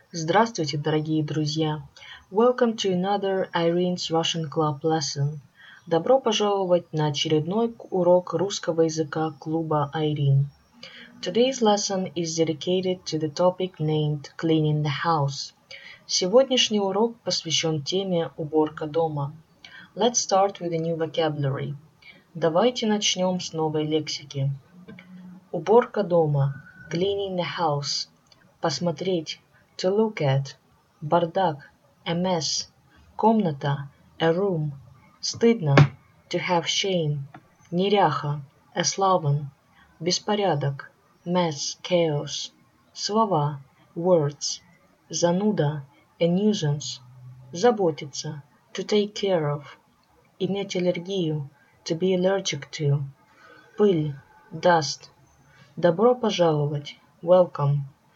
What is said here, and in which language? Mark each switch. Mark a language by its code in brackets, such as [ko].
[ru] Здравствуйте, дорогие друзья. [en] Welcome to another Irene's Russian Club lesson. [ru] Добро пожаловать на очередной урок русского языка клуба Irene. [en] Today's lesson is dedicated to the topic named cleaning the house. [ru] Сегодняшний урок посвящен теме уборка дома. [en] Let's start with a new vocabulary. [ru] Давайте начнем с новой лексики. Уборка дома. [en] Cleaning the house. Посмотреть, to look at, бардак, a mess, комната, a room, стыдно, to have shame, неряха, a sloven, беспорядок, mess, chaos, слова, words, зануда, a nuisance, заботиться, to take care of, иметь аллергию, to be allergic to, пыль, dust, добро пожаловать, welcome.